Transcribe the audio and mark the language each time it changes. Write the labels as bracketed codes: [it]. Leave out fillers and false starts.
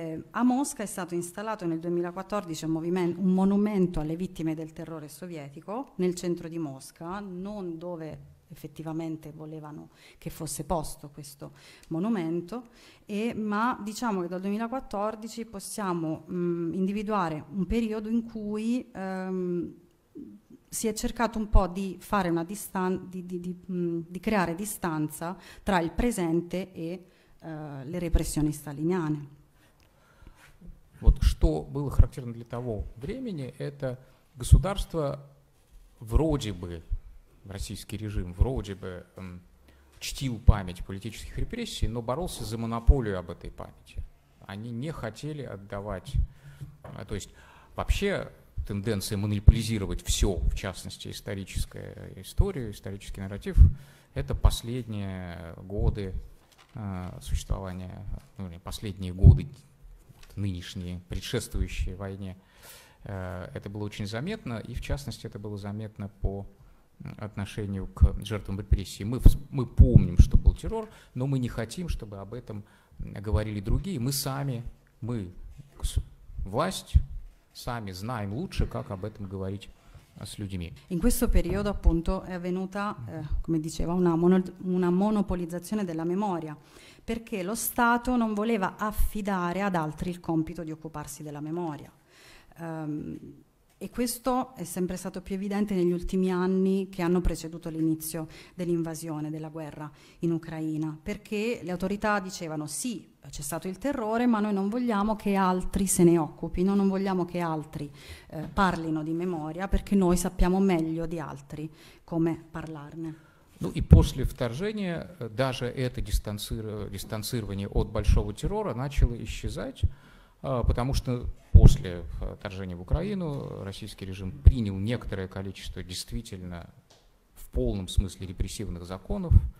[it] A Mosca è stato installato nel 2014 un monumento alle vittime del terrore sovietico nel centro di Mosca, non dove effettivamente volevano che fosse posto questo monumento, ma diciamo che dal 2014 possiamo individuare un periodo in cui si è cercato un po' di fare una distanza, di creare distanza tra il presente e le repressioni staliniane. [ru] Вот что было характерно для того времени, это государство вроде бы, российский режим вроде бы чтил память политических репрессий, но боролся за монополию об этой памяти. Они не хотели отдавать, то есть вообще тенденция монополизировать все, в частности историческую историю, исторический нарратив, это последние годы существования, последние годы, нынешние, предшествующие войне, это было очень заметно, и в частности это было заметно по отношению к жертвам репрессий. Мы помним, что был террор, но мы не хотим, чтобы об этом говорили другие. Мы сами, мы, власть, сами знаем лучше, как об этом говорить с людьми. [it] In questo periodo, appunto, è avvenuta, come diceva, una monopolizzazione della memoria. Perché lo Stato non voleva affidare ad altri il compito di occuparsi della memoria. E questo è sempre stato più evidente negli ultimi anni che hanno preceduto l'inizio dell'invasione, della guerra in Ucraina, perché le autorità dicevano sì, c'è stato il terrore, ma noi non vogliamo che altri se ne occupino, non vogliamo che altri parlino di memoria, perché noi sappiamo meglio di altri come parlarne. [ru] Ну и после вторжения даже это дистанцирование от большого террора начало исчезать, потому что после вторжения в Украину российский режим принял некоторое количество действительно в полном смысле репрессивных законов.